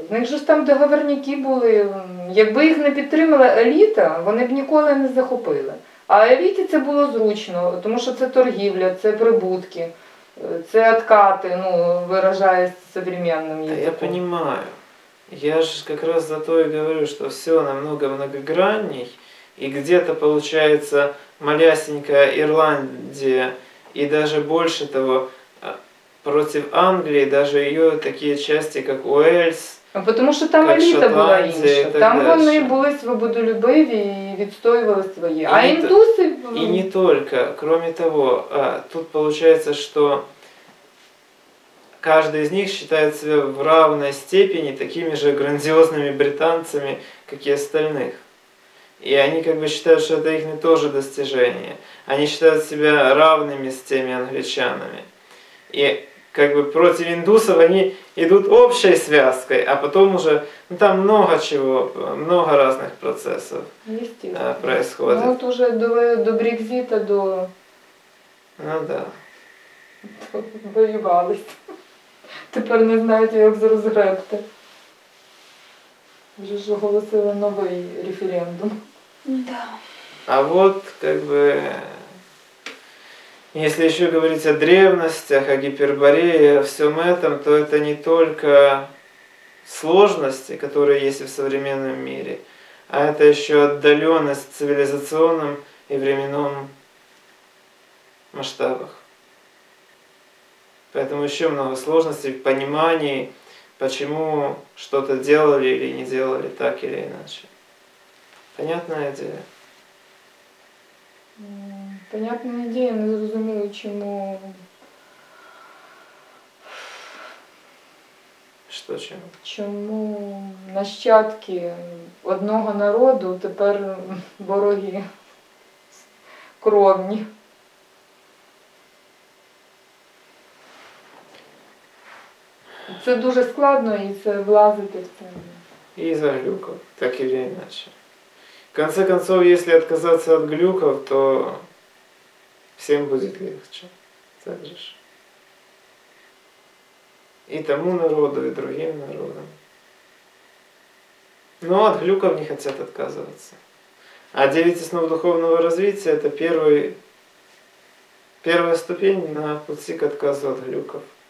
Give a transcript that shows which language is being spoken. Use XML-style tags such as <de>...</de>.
<uk>В них ж там договорняки були. Якби їх не підтримала еліта, вони б ніколи не захопили. А еліті це було зручно, тому що це торгівля, це прибутки, це откати, ну, виражаєсь сучасним язиком. Я розумію. Я ж якраз за то і говорю, що все намного многогранней.</uk> <ru>И где-то получается малясенькая Ирландия, и даже больше того, против Англии, даже ее такие части, как Уэльс, а потому что там элита была инша, там они были свободолюбиви и відстоювали свои, а индусы... И не только, кроме того, тут получается, что каждый из них считает себя в равной степени такими же грандиозными британцами, как и остальных. И они как бы считают, что это их тоже достижение. Они считают себя равными с теми англичанами. И как бы против индусов они идут общей связкой, а потом уже, ну, там много чего, много разных процессов происходит. Ну вот уже до Брекзита, до... Ну да.</ru> <uk>Воювались.</uk> <ru>Теперь не знают, как зарозгребти.</ru> <uk>Вже ж оголосили новий референдум.</uk> <ru>Да. А вот, как бы, если еще говорить о древностях, о гиперборее, о всем этом, то это не только сложности, которые есть в современном мире, а это еще отдаленность в цивилизационном и временном масштабах. Поэтому еще много сложностей в понимании, почему что-то делали или не делали так или иначе. Понятная идея? Понятная идея, но</ru> <uk>зрозуміло, чому...</uk> <ru>Что чому?</ru> <uk>Чому нащадки одного народу тепер вороги кровні? Це дуже складно, і це влазити в це. І за глюком, так і інакше.</uk> <ru>В конце концов, если отказаться от глюков, то всем будет легче. Так же. И тому народу, и другим народам. Но от глюков не хотят отказываться. А 9 основ духовного развития – это первая ступень на пути к отказу от глюков.</ru>